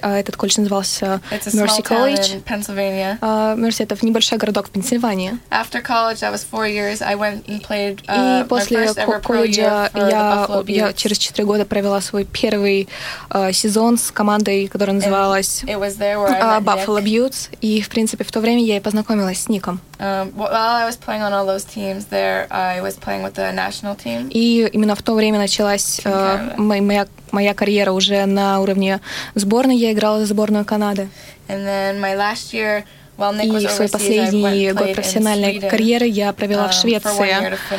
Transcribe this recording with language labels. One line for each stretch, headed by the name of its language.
Russian: Этот колледж назывался Mercy College. Mercy — это небольшой городок в Пенсильвании. И после колледжа я через 4 года провела свой первый сезон с командой, которая называлась Buffalo Buttes. И, в принципе, в то время я и познакомилась с Ником.
English: While I was playing on all those teams there, I was playing with the national team.
Russian: И именно в то время началась моя карьера уже на уровне сборной. Я играла за сборную Канады.
English: And then my last year, while Nick
Russian: и
English: was overseas,
Russian: в свой последний год профессиональной карьеры я провела в Швеции.